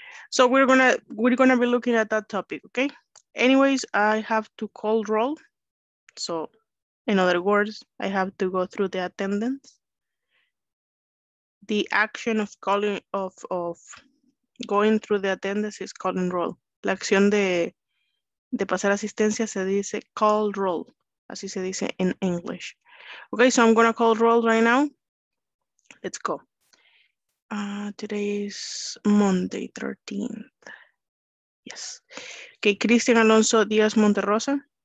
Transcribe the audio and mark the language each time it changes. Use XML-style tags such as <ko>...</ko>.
<en>So we're gonna be looking at that topic, okay? Anyways, I have to call roll. So in other words, I have to go through the attendance. The action of calling of going through the attendance is call and roll.</en> <es>La acción de pasar asistencia se dice call roll. Así se dice</es> <en>in English. Okay, so I'm going to call roll right now. Let's go. Today is Monday, 13th. Yes. Okay, Cristian Alonso Díaz Monterrosa.</en>